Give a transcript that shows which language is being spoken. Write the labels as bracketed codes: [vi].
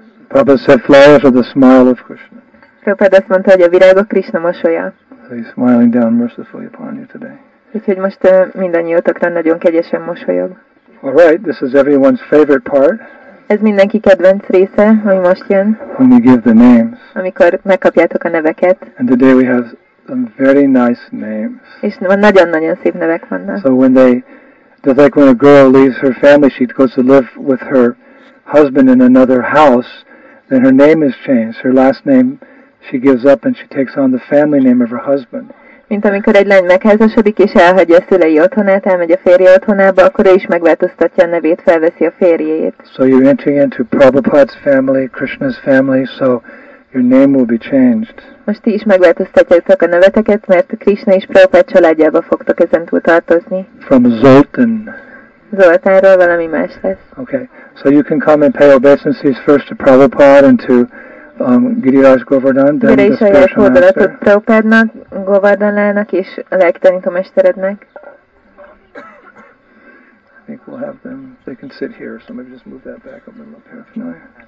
[en] Prabhupada said flowers are the smile of Krishna. [hu] Prabhupada azt mondta, hogy a virágok Krishna mosolya. [en] So he's smiling down mercifully upon you today. [hu] Úgyhogy most mindannyiótokra nagyon kegyesen mosolyog. [en] All right, this is everyone's favorite part. [hu] Ez mindenki kedvenc része, ami most jön. [en] When you give the names. [hu] Amikor megkapjátok a neveket. [en] And today we have some very nice names. [hu] És nagyon-nagyon szép nevek vannak. [en] So when they, it's like when a girl leaves her family, she goes to live with her husband in another house, then her name is changed. Her last name she gives up and she takes on the family name of her husband. [hu] Mint amikor egy lány megházasodik és elhagyja a szülei otthonát, elmegy a férje otthonába, akkor ő is megváltoztatja a nevét, felveszi a férjét. [en] So you're entering into Prabhupada's family, Krishna's family, so your name will be changed. [hu] Most ti is megváltoztatjátok a neveteket, mert Krishna és Prabhupada családjába fogtok ezentúl tartozni. [en] From Zoltan. [hu] Zoltánról valami más lesz. [en] Okay, so you can come and pay obeisances first to Prabhupada and to Giriraj Govardhan, then the spiritual master. I think we'll have them, they can sit here, so maybe just move that back a little bit here.